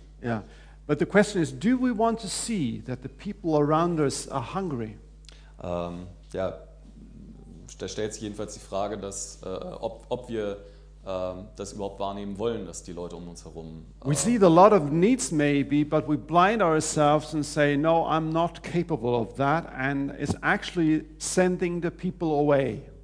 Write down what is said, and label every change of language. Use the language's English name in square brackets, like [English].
[English] Ja. Yeah. But the question is, do we want to see that the people around us are hungry? [German] Ja, da stellt sich jedenfalls die Frage, dass ob wir das überhaupt wahrnehmen wollen, dass die Leute um uns herum. [English] We see a lot of needs maybe, but we blind ourselves and say, no, I'm not capable of that, and it's actually sending the people away.